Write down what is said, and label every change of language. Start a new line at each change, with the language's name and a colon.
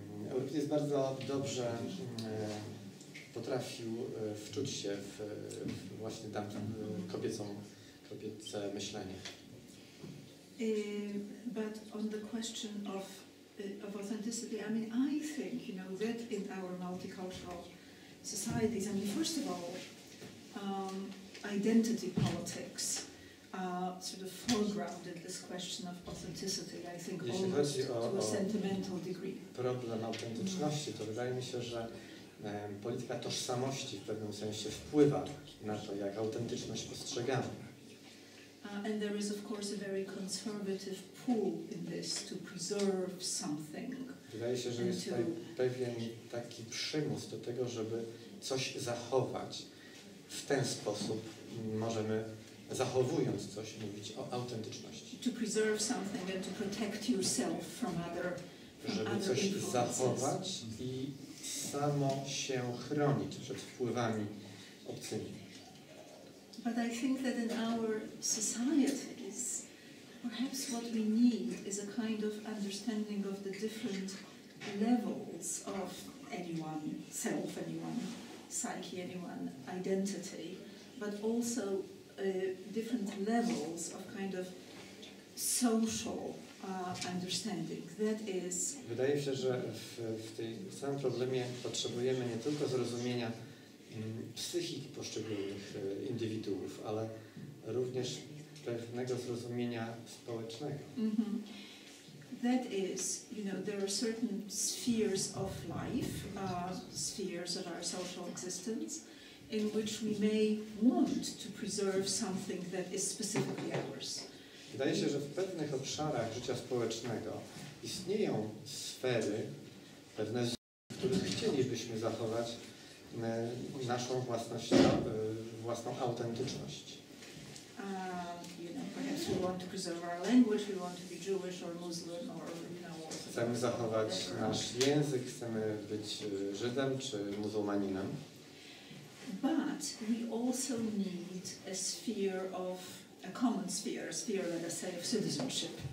Polish: Euripides bardzo dobrze potrafił wczuć się w właśnie tamtą kobiece myślenie.
English: But on the question of authenticity, I mean, I think, you know, that in our multicultural societies, I mean, first of all, identity politics sort of foregrounded this question of authenticity, I think,
Polish: jeśli
English: almost to a sentimental degree.
Polish: Problem autentyczności, to wydaje mi się, że polityka tożsamości w pewnym sensie wpływa na to, jak autentyczność postrzegamy.
English: And there is, of course, a very conservative pull in this to preserve something.
Polish: Wydaje się, że jest tutaj pewien taki przymus do tego, żeby coś zachować. W ten sposób możemy, zachowując coś, mówić o autentyczności.
English: To preserve something and to protect yourself from other influences.
Polish: Żeby coś zachować i samo się chronić przed wpływami obcymi.
English: But I think that in our societies, perhaps what we need is a kind of understanding of the different levels of anyone, self, anyone, psyche, anyone, identity, but also different levels of kind of social understanding. That is.
Polish: Wydaje się, że w tym samym problemie potrzebujemy nie tylko zrozumienia psychiki poszczególnych indywiduów, ale również pewnego zrozumienia społecznego. Mm-hmm.
English: That is, you know, there are certain spheres of life, spheres of our social existence, in which we may want to preserve something that is specifically ours.
Polish: Wydaje się, że w pewnych obszarach życia społecznego istnieją sfery, pewne z których chcielibyśmy zachować naszą własność, własną autentyczność.
English: You know, we want to preserve our language, we want to be Jewish or Muslim or, you know,
Polish: chcemy zachować nasz język, chcemy być Żydem czy muzułmaninem.
English: But we also need a sphere of, a common sphere, a sphere, let us say, of citizenship.